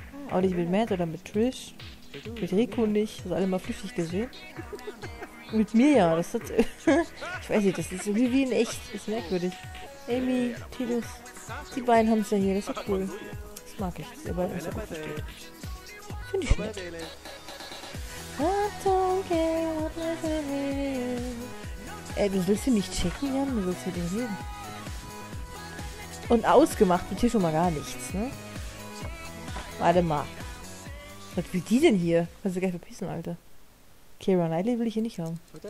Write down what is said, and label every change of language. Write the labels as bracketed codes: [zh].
[de] Auch nicht mit Matt oder mit Trish. Mit Rico nicht. Das ist alle mal flüchtig gesehen. Mit mir ja. Das hat. Ich weiß nicht, das ist irgendwie wie in echt. Das ist merkwürdig. Amy, Titus. Die beiden haben es ja hier. Das ist cool. Mag ich, dass ihr beide uns auch versteht. Finde ich nett. [en] I don't care what my family is. [de] Ey, du willst hier nicht checken, Jan? Du willst hier nicht reden. Und ausgemacht wird hier schon mal gar nichts, ne? Warte mal. Was will die denn hier? Kannst du gleich verpissen, Alter. Keira Knightley will ich hier nicht haben.